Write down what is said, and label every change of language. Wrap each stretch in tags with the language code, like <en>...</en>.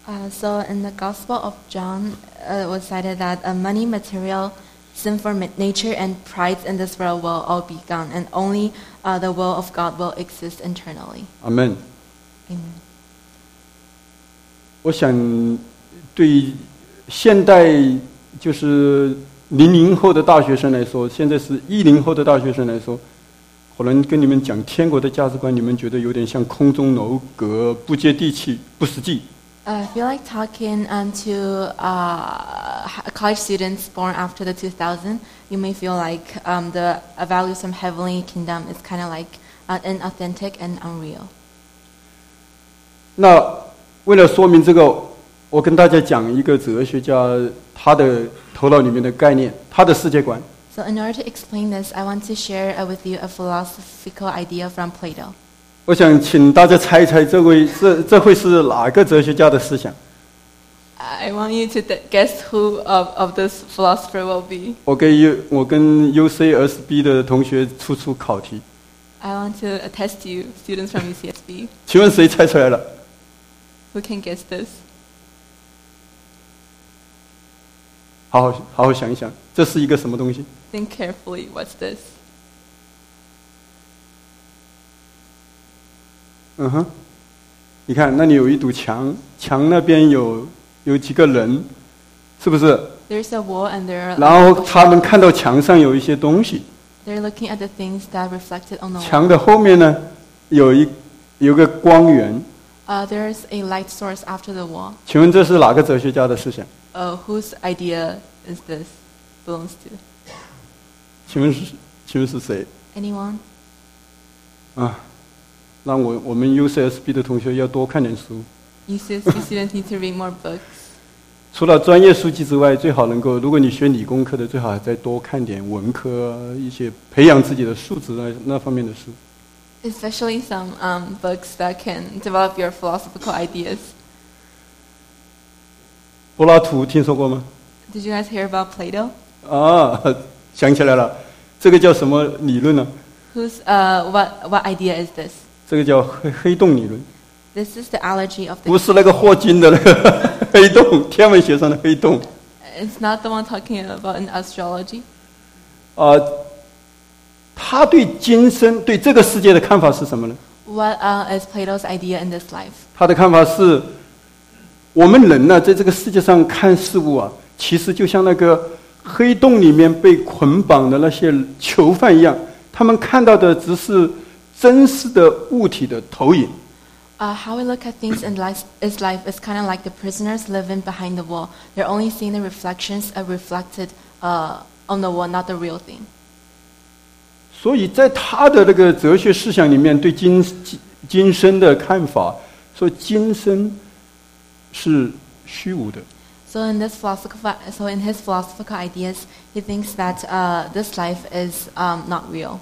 <en>So in the Gospel of John, it was cited that money, material, sinful nature and pride in this world will all be gone, and only the will of God will exist eternally. Amen.</en> <zh>我想对现代就是00后的大学生来说，现在是10后的大学生来说，可能跟你们讲天国的价值观，你们觉得有点像空中楼阁，不接地气，不实际。</zh> <en>I feel like talking to college students born after the 2000, you may feel like the values from heavenly kingdom is kind of like inauthentic and unreal.</en> <zh>那为了说明这个，我跟大家讲一个哲学家他的头脑里面的概念，他的世界观。</zh> <en>So in order to explain this, I want to share with you a philosophical idea from Plato.</en> <zh>我想请大家猜一猜，这会是哪个哲学家的思想？</zh> <en>I want you to guess who of this philosopher will be.</en> <zh>我跟 UCSB 的同学出出考题。</zh> <en>I want to test you, students from UCSB.</en> <zh>请问谁猜出来了？</zh> <en>Who can guess this?</en> <zh>好好想一想，这是一个什么东西？</zh> <en>Think carefully. What's this?</en> <zh>嗯哼，你看，那里有一堵墙，墙那边有几个人，是不是？</zh> <en>There's a wall and there are.</en> <zh>然后他们看到墙上有一些东西。</zh> <en>They're looking at the things that reflected on the wall.</en> <zh>墙的后面呢，有个光源。</zh> <en>There's a light source after the wall.</en> <zh>请问这是哪个哲学家的思想？</zh> <en>Whose idea is this belongs to?</en> <zh>请问是谁</zh> <en>？Anyone?</en> <zh>啊，让我们 UCSB 的同学要多看点书。</zh> <en>UCSB students need to read more books.</en> <zh>除了专业书籍之外，最好能够，如果你学理工科的，最好再多看点文科一些培养自己的素质那方面的书。</zh> <en>Especially some books that can develop your philosophical ideas.</en> <zh>柏拉图听说过吗</zh> <en>？Did you guys hear about Plato?</en> <zh>啊，想起来了，这个叫什么理论呢</zh> <en>？Who's what idea is this?</en> <zh>这个叫黑洞理论。</zh> <en>This is the allergy of the.</en> <zh>不是那个霍金的那个黑洞，天文学上的黑洞。</zh> <en>It's not the one talking about in astrology.</en> <zh>他对今生对这个世界的看法是什么呢</zh> <en>？What is Plato's idea in this life?</en> <zh>他的看法是，我们人呢，在这个世界上看事物啊，其实就像那个黑洞里面被捆绑的那些囚犯一样，他们看到的只是真实的物体的投影。</zh> <en>How we look at things in life is kind of like the prisoners living behind the wall. They're only seeing the reflections reflected on the wall, not the real thing.</en> <zh>所以在他的那个哲学思想里面，对今生的看法，说今生是虚无的。</zh> <en>So in his philosophical ideas, he thinks that this life is not real.</en>